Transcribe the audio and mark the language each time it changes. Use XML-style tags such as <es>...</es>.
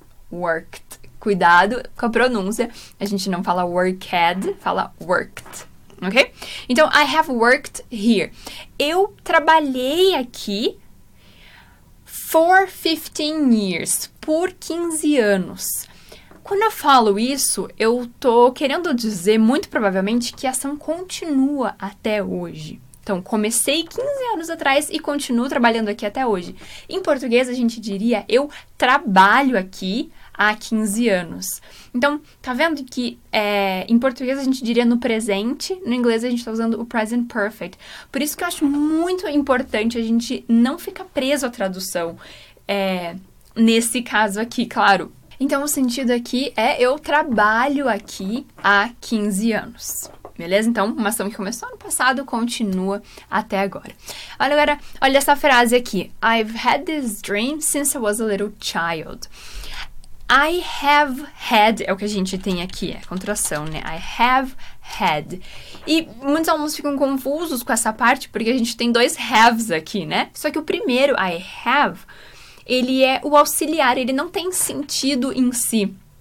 <pt>Worked. Cuidado com a pronúncia, a gente não fala worked, fala worked. Ok?</pt> <en>Então, I have worked here.</en> <pt>Eu trabalhei aqui</pt> <en>for 15 years,</en> <pt>por 15 anos. Quando eu falo isso, eu tô querendo dizer, muito provavelmente, que a ação continua até hoje. Então, comecei 15 anos atrás e continuo trabalhando aqui até hoje. Em português, a gente diria, eu trabalho aqui há 15 anos. Então, tá vendo que em português a gente diria no presente, no inglês a gente tá usando o present perfect. Por isso que eu acho muito importante a gente não ficar preso à tradução nesse caso aqui, claro. Então, o sentido aqui é eu trabalho aqui há 15 anos. Beleza? Então, uma ação que começou no passado continua até agora. Olha, galera, olha essa frase aqui.</pt> <en>I've had this dream since I was a little child. I have had</en> <pt>é o que a gente tem aqui, é contração, né?</pt> <en>I have had.</en> <pt>E muitos alunos ficam confusos com essa parte porque a gente tem dois haves aqui, né? Só que o primeiro, I have, ele é o auxiliar, ele não tem sentido em si.</pt>